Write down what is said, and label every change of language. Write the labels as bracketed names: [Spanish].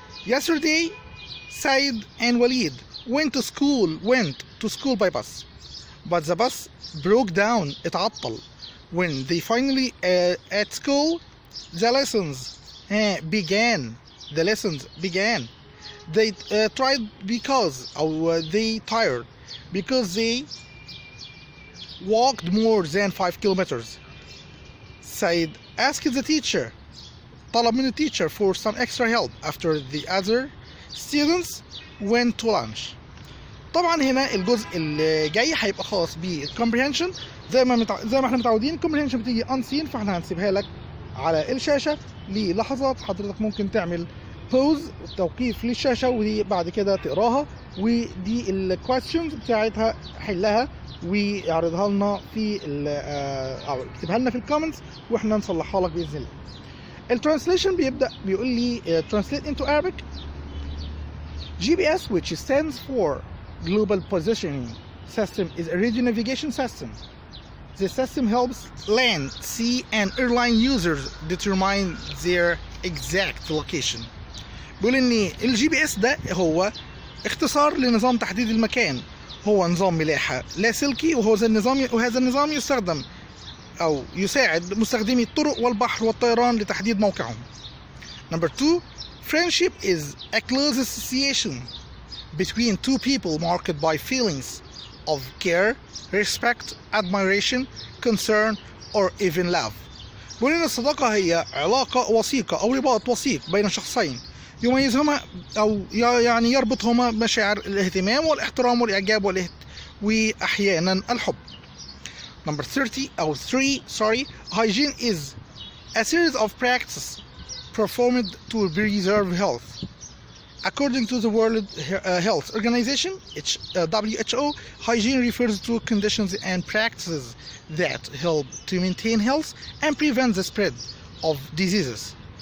[English] Yesterday Said and Walid went to school by bus but the bus broke down اتعطل when they finally at school the lessons began they tried because they tired because they walked more than 5 kilometers. Said, ask the teacher. [Arabic] طلب من [English] teacher for some extra help after the other students went to lunch. [Arabic] طبعا هنا الجزء اللي جاي هيبقى خاص بالcomprehension. زي ما احنا متعودين comprehension بتيجي unseen, فاحنا هنسيبها لك على الشاشة للحظات. حضرتك ممكن تعمل pause توقيف للشاشة وبعد كده تقراها, ودي الquestions بتاعتها حلها ويعرضها لنا في او اكتبها لنا في الكومنتس واحنا نصلحها لك باذن الله. الترانسليشن بيبدا بيقول لي [English] translate into Arabic. GPS, which stands for global positioning system, is a radio navigation system. The system helps land, sea and airline users determine their exact location. [Arabic] بيقول ان الجي بي اس ده هو اختصار لنظام تحديد المكان, هو نظام ملاحة لاسلكي, وهذا النظام يستخدم أو يساعد مستخدمي الطرق والبحر والطيران لتحديد موقعهم. [English] Number two, friendship is a close association between two people marked by feelings of care, respect, admiration, concern, or even love. [Arabic] بقول إن الصداقة هي علاقة وثيقة أو رباط وثيق بين شخصين يميزهما أو يعني يربطهما مشاعر الاهتمام والاحترام والإعجاب وأحيانا الحب. [English] Number 3, hygiene is a series of practices performed to preserve health. According to the World Health Organization, WHO, hygiene refers to conditions and practices that help to maintain health and prevent the spread of diseases.